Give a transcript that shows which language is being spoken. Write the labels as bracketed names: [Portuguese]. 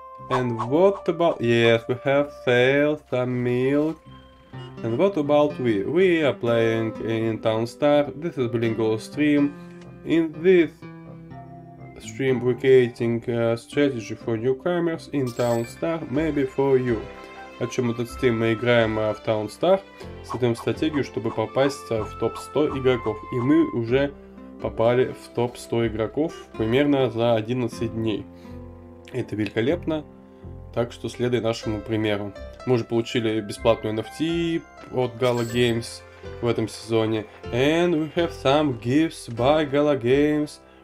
[English] And what about... Yes, we have failed some milk. And what about we? We are playing in TownStar. This is bilingual stream. In this stream, we're creating a strategy for newcomers in TownStar. Maybe for you. [Russian] О чем этот стрим? Мы играем в TownStar. Создаем стратегию, чтобы попасть в топ 100 игроков. И мы уже попали в топ 100 игроков примерно за 11 дней. Это великолепно. Так что следуй нашему примеру. Мы уже получили бесплатную NFT от Gala Games в этом сезоне. [English] And we have some gifts by Gala Games.